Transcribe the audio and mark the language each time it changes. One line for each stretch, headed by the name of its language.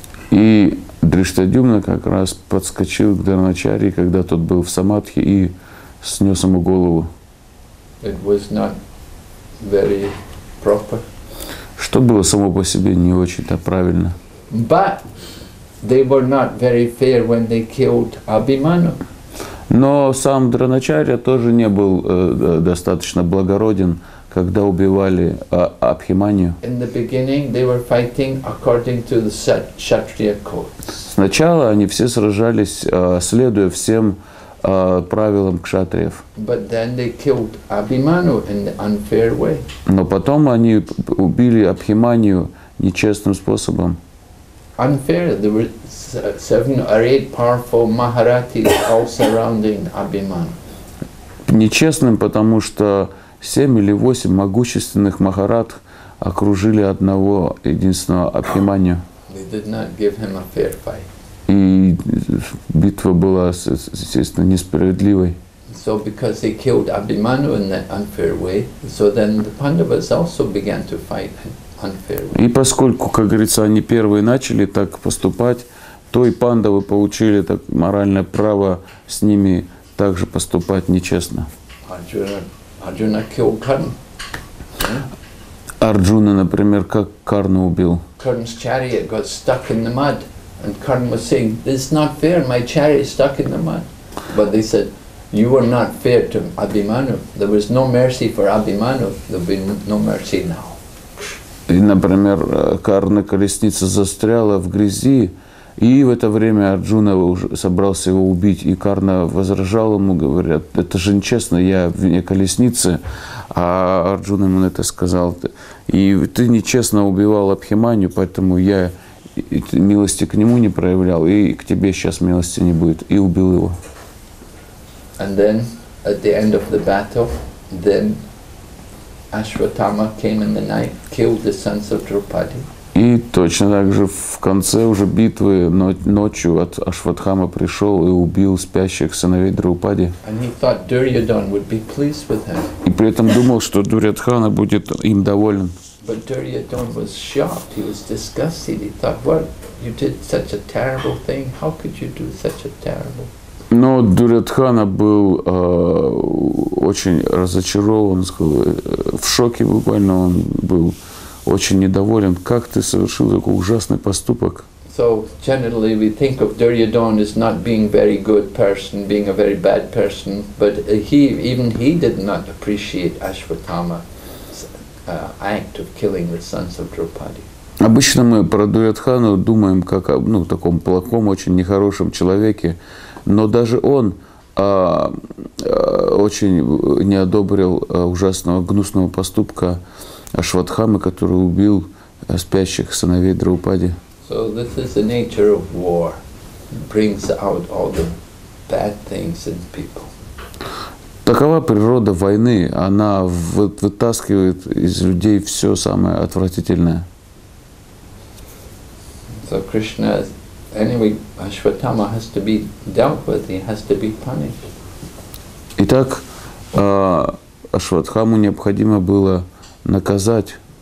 Russian: И Дриштадюмна как раз подскочил к Дроначарье, когда тот был в Самадхи, и снес ему голову.
English: It was not very proper.
Russian: Что было само по себе не очень-то правильно.
English: But they were not very fair when they killed Abhimanyu.
Russian: Но сам Дроначарья тоже не был достаточно благороден, когда убивали Абхиманию.
English: In the beginning they were fighting according to the Kshatriya codes.
Russian: Сначала они все сражались, следуя всем правилам кшатриев.
English: But then they killed Abhimanyu in the unfair way.
Russian: Но потом они убили Абхиманию нечестным способом.
English: Unfair. There were 7 or 8 powerful Maharatis all surrounding Abhimanyu.
Russian: Нечестным, потому что 7 или 8 могущественных Махарат окружили одного единственного Абхиманию.
English: They did not give him a fair fight.
Russian: И битва была, естественно, несправедливой.
English: So because they killed Abhimanyu in that unfair way, so then the Pandavas also began to fight unfair way.
Russian: И поскольку, как говорится, они первые начали так поступать, то и Пандавы получили так моральное право с ними также поступать нечестно.
English: Арджуна killed Карна.
Russian: Арджуна, например, как Карну убил?
English: Карна's chariot got stuck in the mud. And Karna was saying, "This is not fair. My chariot is stuck in the mud." But they said, "You were not fair to Abhimanyu. There was no mercy for Abhimanyu. There will be no mercy now."
Russian: И, например, Карна колесница застряла в грязи, и в это время Арджуна уже собрался его убить, и Карна возражал ему, говорят, "Это же нечестно. Я вне колесницы." А Арджуна ему это сказал: "И ты нечестно убивал Абхиманю, поэтому я и милости к нему не проявлял, и к тебе сейчас милости не будет", и убил его.
English: And then at the end of the battle, then Ashwatthama came in the night, killed the sons of Draupadi.
Russian: И точно так же в конце уже битвы ночью от Ашватхама пришел и убил спящих сыновей Драупади.
English: And he thought Duryodhan would be pleased with him.
Russian: И при этом думал, что Дурьядхана будет им доволен.
English: But Duryodhan was shocked. He was disgusted. He thought, "What? You did such a terrible thing. How could you do such a terrible?"
Russian: Но Дурьядхана был очень разочарован, в шоке буквально. Он был очень недоволен. Как ты совершил такой ужасный поступок?
English: So generally we think of Duryodhan as not being very good person, being a very bad person. But he did not appreciate Ashwatthama. Act of killing the sons of Draupadi.
Russian: Обычно мы про Дурьядхану думаем как о таком плохом, очень нехорошем человеке, но даже он очень не одобрил ужасного, гнусного поступка Ашватхамы, который убил спящих сыновей Драупади.
English: So this is the nature of war. It brings out all the bad things in people.
Russian: Такова природа войны, она вытаскивает из людей все самое отвратительное.
English: So Krishna, anyway, Ashwatthama has to be dealt with, he has to be punished.
Russian: Итак, Ашватхаму необходимо было наказать.